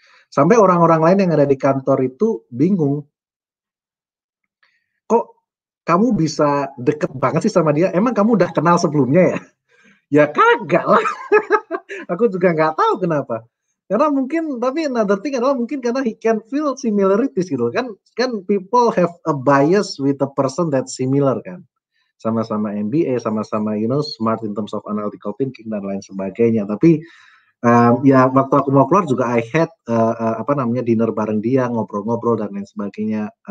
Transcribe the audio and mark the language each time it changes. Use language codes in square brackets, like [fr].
[id] Sampai orang-orang lain yang ada di kantor itu bingung, kamu bisa deket banget sih sama dia. Emang kamu udah kenal sebelumnya ya? Ya kagak lah. Aku juga gak tahu kenapa. Karena mungkin, tapi another thing adalah mungkin karena [en] he can feel similarities [id] gitu. [en] Kan kan people have a bias with a person that similar kan. [id] Sama-sama MBA, sama-sama [en] you know smart in terms of analytical thinking [id] dan lain sebagainya. Tapi ya waktu aku mau keluar juga I had apa namanya dinner bareng dia, ngobrol-ngobrol dan lain sebagainya.